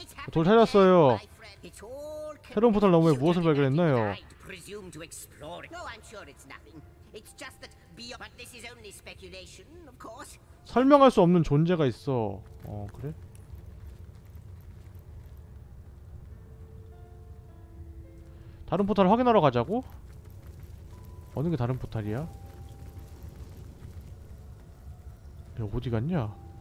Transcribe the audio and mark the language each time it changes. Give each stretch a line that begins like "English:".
Korean: 돌 찾았어요. 새로운 포털 너머에 무엇을 발견했나요?
English: Presume to explore it. No, I'm sure it's nothing. It's just that beyond. But this is only speculation, of course.
Korean: 설명할 수 없는 존재가 있어. 어 그래? 다른 포탈 확인하러 가자고? 어느 게 다른 포탈이야? 야 어디 갔냐?